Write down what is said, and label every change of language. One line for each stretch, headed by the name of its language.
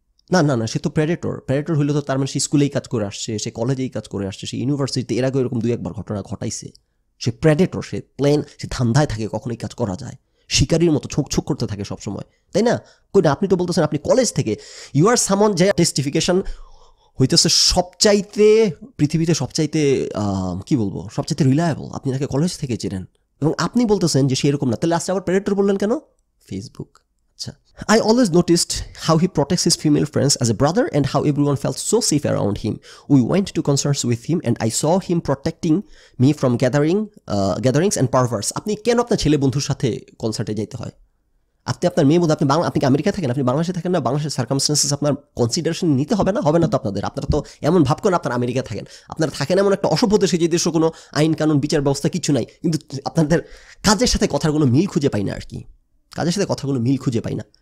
Bangla: না না না, সে তো প্রেডেটর, প্রেডেটর হইলে তো তার মানে সে স্কুলেই কাজ করে আসছে, সে কলেজেই কাজ করে আসছে, সে ইউনিভার্সিটিতে, এর আগে এরকম দুই একবার ঘটনা ঘটাইছে, সে প্রেডেটর, সে প্ল্যান, সে ধান্দায় থাকে কখনই কাজ করা যায়, শিকারীর মতো ছোক ছোক করতে থাকে সবসময়, তাই না? কই না, আপনি তো বলতেছেন আপনি কলেজ থেকে, ইউ আর সামন যে টেস্টিফিকেশন হইতেছে সবচাইতে পৃথিবীতে সবচাইতে কী বলবো সবচাইতে রিলায়েবল, আপনি তাকে কলেজ থেকে চেনেন এবং আপনি বলতেছেন যে সে এরকম না, তাহলে লাস্টে আবার প্রেডেটর বললেন কেন? Facebook.
English: I always noticed how he protects his female friends as a brother and how everyone felt so safe around him. We went to concerts with him and I saw him protecting me from gatherings and perverts.
Bangla: আপনি কেন আপনার ছেলে বন্ধুর সাথে কনসার্টে যাইতে হয়? আপনি আপনার মেয়ে বন্ধু, আপনি বাংলা, আপনি কি আমেরিকায় থাকেন, আপনি বাংলাদেশে থাকেন না, বাংলাদেশের সার্কামস্টেন্সেস আপনার কনসিডারেশন নিতে হবে না? হবে না তো আপনাদের, আপনারা তো এমন ভাব করেন আপনার আমেরিকায় থাকেন, আপনারা থাকেন এমন একটা অসভ্য দেশে যে দেশে কোনো আইন কানুন বিচার ব্যবস্থা কিছু নাই, কিন্তু আপনাদের কাজের সাথে কথার কোনো মিল খুঁজে পাই না আর কি, কাজের সাথে কথাগুলো মিল খুঁজে পাই না।